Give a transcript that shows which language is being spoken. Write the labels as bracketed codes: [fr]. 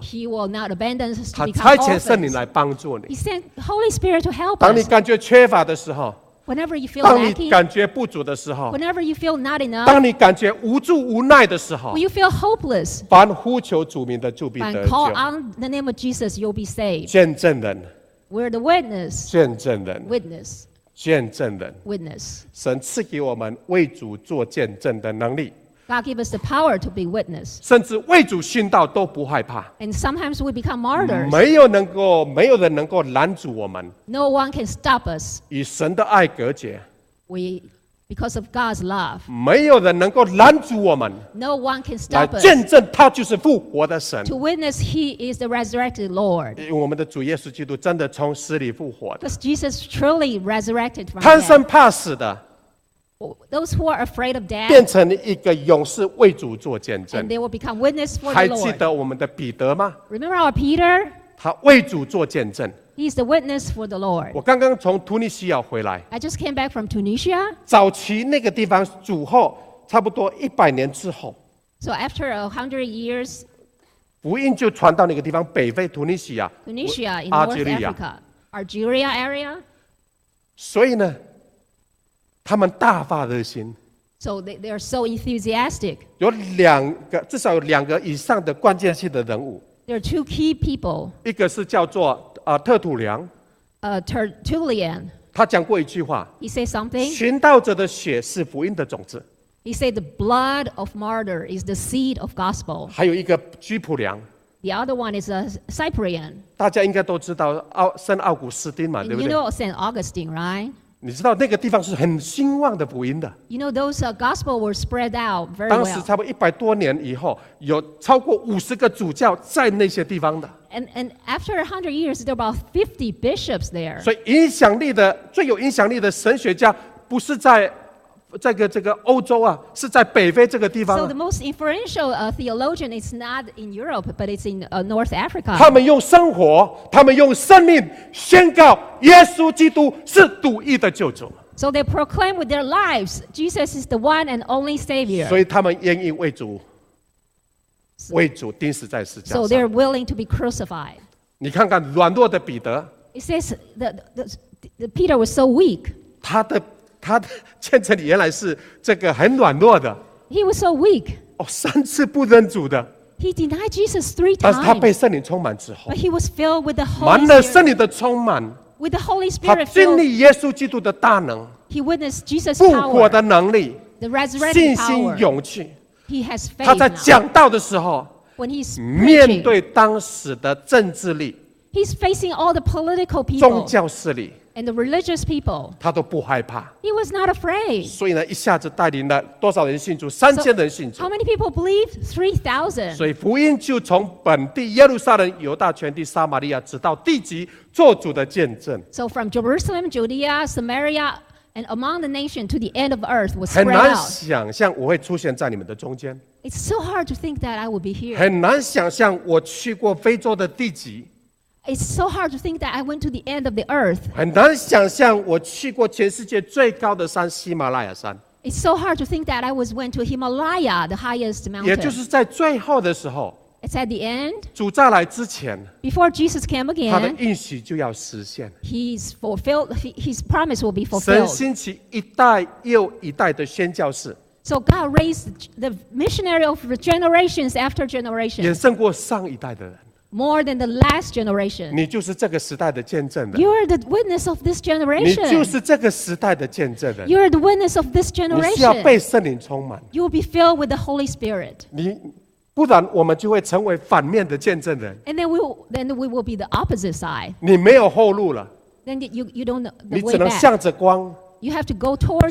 [en] He will not abandon us to become [zh] orphans. 他差遣圣灵来帮助你。 [en] He sent Holy Spirit to help us. [zh] 当你感觉缺乏的时候。 [en] Whenever you feel lacking, [zh] 当你感觉不足的时候 [en] whenever you feel not enough, [zh] 当你感觉无助无奈的时候 [en] when you feel hopeless, [zh] 凡呼求主名的就必得救 [en] and call on the name of Jesus, you'll be saved. [zh] 见证人 [en] We're the witness. [zh] 见证人 [en] Witness. [zh] 见证人 [en] Witness. [zh] 神赐给我们为主做见证的能力 [en] God give us the power to be witness. [zh] 甚至为主殉道都不害怕 [en] And sometimes we become martyrs. [zh] 没有人能够拦阻我们 [en] No one can stop us. [zh] 与神的爱隔绝 [en] We, because of God's love. [zh] 没有人能够拦阻我们 [en] No one can stop us. [zh] 来见证他就是复活的神 [en] To witness he is the resurrected Lord. [zh] 因为我们的主耶稣基督真的从死里复活的 [en] Because Jesus truly resurrected from [zh] death. 贪生怕死的 [en] Those who are afraid of death. [zh] 变成一个勇士为主做见证 [en] And they will become witness for the Lord. [zh] 还记得我们的彼得吗 [en] Remember our Peter? [zh] 他为主做见证 [en] He's the witness for the Lord. [zh] 我刚刚从突尼西亚回来 [en] I just came back from Tunisia. [zh] 早期那个地方主后差不多一百年之后 [en] So after 100 years, [zh] 福音就传到那个地方北非突尼西亚 [en] Tunisia in North Africa, Algeria area. [zh] 所以呢他们大发热心 [en] So they are so enthusiastic. [zh] 有两个至少有两个以上的关键性的人物 [en] There are two key people. [zh] 一个是叫做特土良 [en] Tertullian. [zh] 他讲过一句话 [en] He said something. [zh] 寻道者的血是福音的种子 [en] He said the blood of martyr is the seed of gospel. [zh] 还有一个居普良 [en] The other one is a Cyprian. [zh] 大家应该都知道圣奥古斯丁嘛对不对 [en] You know St. Augustine, right? [zh] 你知道那个地方是很兴旺的福音的。 [en] You know those gospel were spread out very well. [zh] 当时差不多一百多年以后，有超过50个主教在那些地方的。 [en] And after 100 years, there are about 50 bishops there. [zh] 所以影响力的最有影响力的神学家不是在这个欧洲啊，是在北非这个地方、啊。 [en] So the most influential theologian is not in Europe, but it's in North Africa. [zh] 他们用生活，他们用生命宣告耶稣基督是独一的救主。 [en] So they proclaim with their lives, Jesus is the one and only Savior. [zh] 所以他们愿意为主， so, 为主钉死在十字架上。 [en] So they're willing to be crucified. [zh] 你看看软弱的彼得。 [en] It says the Peter was so weak. [zh] 他的见证原来是这个很软弱的。 [en] He was so weak. [zh] 哦，三次不认主的。 [en] He denied Jesus three times. [zh] 但是他被圣灵充满之后。 [en] But he was filled with the Holy Spirit. [zh] 满了圣灵的充满。 [en] With the Holy Spirit filled. [zh] 他经历耶稣基督的大能。 [en] He witnessed Jesus' power. [zh] 复活的能力。 [en] The resurrected power. [zh] 信心勇气。 [en] He has faith. [zh] 他在讲道的时候。 [en] When he's preaching. [zh] 面对当时的政治力。 [en] He's facing all the political people. [zh] 宗教势力。 [en] And the religious people, [zh] 他都不害怕。 [en] He was not afraid. [zh] 所以呢，一下子带领了多少人信主？ 3000人信主。 [en] How many people believed? 3,000. [zh] 所以福音就从本地耶路撒冷、犹大全地、撒玛利亚，直到地极，做主的见证。 [en] So from Jerusalem, Judea, Samaria, and among the nation to the end of earth was spread out. [zh] 很难想象我会出现在你们的中间。 [en] It's so hard to think that I would be here. [zh] 很难想象我去过非洲的地极。 [en] It's so hard to think that I went to the end of the earth. [zh] 很难想象我去过全世界最高的山喜马拉雅山。 [en] It's so hard to think that I was went to Himalaya, the highest mountain. [zh] 也就是在最后的时候。 [en] It's at the end. [zh] 主再来之前。 [en] Before Jesus came again. [zh] 他的应许就要实现。 [en] He's fulfilled. His promise will be fulfilled. [zh] 神兴起一代又一代的宣教士。 [en] So God raised the missionary of generations after generations. [zh] 远胜过上一代的人。 [en] More than the last generation. [zh] 你就是这个时代的见证人。 [en] You are the witness of this generation. [zh] 你就是这个时代的见证人。 [en] You are the witness of this generation. [zh] 你需要被圣灵充满。 [en] You will be filled with the Holy Spirit. [zh] 你不然我们就会成为反面的见证人。 [en] And then we will be the opposite side. [zh] 你没有后路了。 [en] Then you don't know the way back. [zh] 你只能向着光。 [en] You have to go towards God.